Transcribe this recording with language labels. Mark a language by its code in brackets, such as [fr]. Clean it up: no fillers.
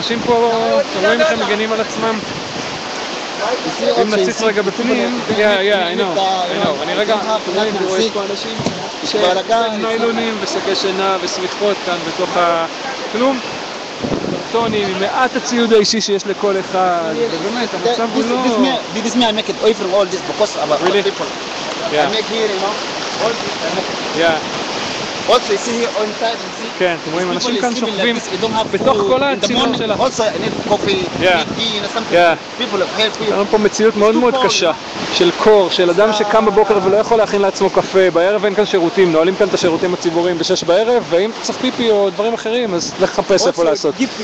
[he] אנשים פה, אתם רואים שהם מגנים על עצמם. אם נציץ רגע בפנים, [en] I know. [he] אני רגע, אני רואה פה אנשים שבלגן, ניילונים ושקי שינה וסמיכות כאן בתוך הכלום. קרטונים, מעט הציוד האישי שיש לכל אחד, ובאמת, המצב הוא לא... [en] This is me, I make it away from all this because of our people. I make here, you know? Yeah. Also, you see here on the side, you see? [he] כן, אתם רואים, אנשים כאן שוכבים בתוך כל הצינור של [en] ה... Also, I need coffee, tea, yeah. People have help. [he] יש פה מציאות מאוד מאוד קשה של קור, של אדם שקם בבוקר ולא יכול להכין לעצמו קפה. בערב אין כאן שירותים, נועלים כאן את השירותים הציבוריים ב-6 בערב, ואם צריך פיפי או דברים אחרים, אז לחפש איפה לעשות.